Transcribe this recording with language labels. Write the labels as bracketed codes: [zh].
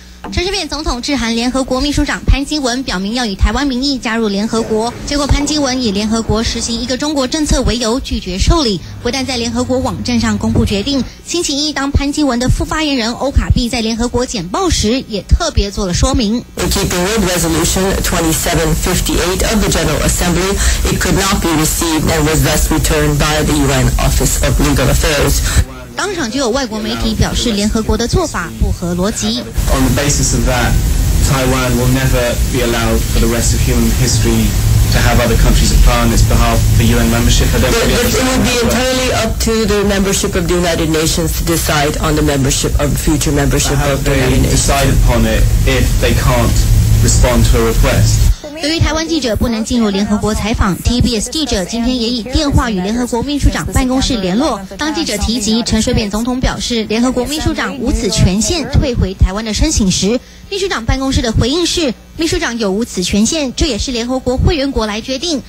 [zh] 陈水扁总统致函联合国秘书长潘基文，表明要以台湾名义加入联合国，结果潘基文以联合国实行一个中国政策为由拒绝受理，不但在联合国网站上公布决定，星期一当潘基文的副发言人欧卡碧在联合国简报时也特别做了说明。 [en] In keeping with resolution 2758 of the General Assembly, it could not be received and was thus returned by the UN Office of Legal Affairs. [zh] 当场就有外国媒体表示联合国的做法不合逻辑。 [en] On the basis of that, Taiwan will never be allowed for the rest of human history to have other countries apply on its behalf for UN membership. It will be entirely up to the membership of the United Nations to decide on the membership of future membership of the United Nations. But have they decided upon it if they can't respond to a request? [zh] 由于台湾记者不能进入联合国采访 ，TBS 记者今天也以电话与联合国秘书长办公室联络。当记者提及陈水扁总统表示联合国秘书长无此权限退回台湾的申请时，秘书长办公室的回应是：秘书长有无此权限，这也是联合国会员国来决定。